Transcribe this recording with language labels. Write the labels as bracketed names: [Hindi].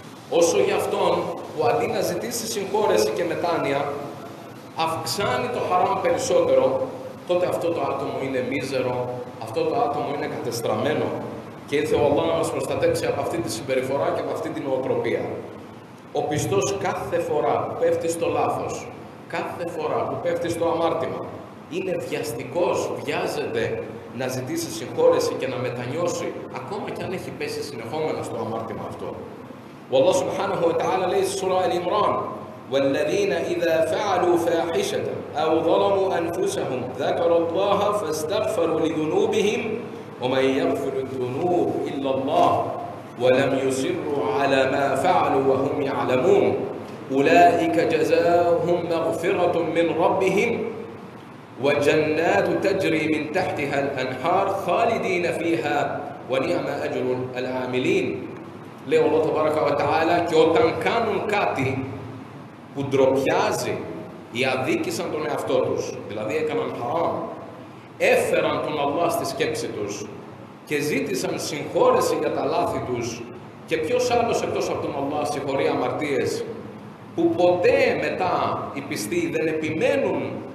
[Greek] Όσο για αυτόν που αντί να ζητήσει συγχώρεση και μετάνοια, αυξάνει το χαράμ περισσότερο, τότε αυτό το άτομο είναι μίζερο, αυτό το άτομο είναι κατεστραμμένο και ήρθε ο Αλλάχ να μας προστατέψει από αυτή τη συμπεριφορά και από αυτή την νοοτροπία. Ο πιστός κάθε φορά που πέφτει στο λάθος, κάθε φορά που πέφτει στο αμάρτημα, είναι βιαστικός, βιάζεται να ζητήσει συγχώρεση και να μετανιώσει, ακόμα και αν έχει πέσει συνεχόμενα στο αμάρτημα αυτό. Ο Αλλάχ Σουμπχάνεχου Ετ'άλα λέει στη σούρα Άλι Ιμράν, [Arabic] وَالَّذِينَ إِذَا فَعَلُوا فَاحِشَةً أَوْ ظَلَمُوا أَنفُسَهُمْ ذَكَرُوا اللَّهَ فَاسْتَغْفَرُوا لِذُنُوبِهِمْ وَمَنْ يَغْفِرُ الذُّنُوبَ إِلَّا اللَّهُ وَلَمْ يُصِرُّوا عَلَى مَا فَعَلُوا وَهُمْ يَعْلَمُونَ أُولَئِكَ جَزَاؤُهُمْ مَغْفِرَةٌ مِنْ رَبِّهِمْ وَجَنَّاتٌ تَجْرِي مِنْ تَحْتِهَا الْأَنْهَارُ خَالِدِينَ فِيهَا وَنِعْمَ أَجْرُ الْعَامِلِينَ. لَهُ اللَّهُ تَبَارَكَ وَتَعَالَى كَوْتَنْكَانُ كَاتِي [Greek] που ντροπιάζει, ή αδίκησαν τον εαυτό τους, δηλαδή έκαναν χαράμ, έφεραν τον Αλλά στη σκέψη τους και ζήτησαν συγχώρεση για τα λάθη τους, και ποιος άλλος εκτός από τον Αλλά συγχωρεί αμαρτίες, που ποτέ μετά οι πιστοί δεν επιμένουν,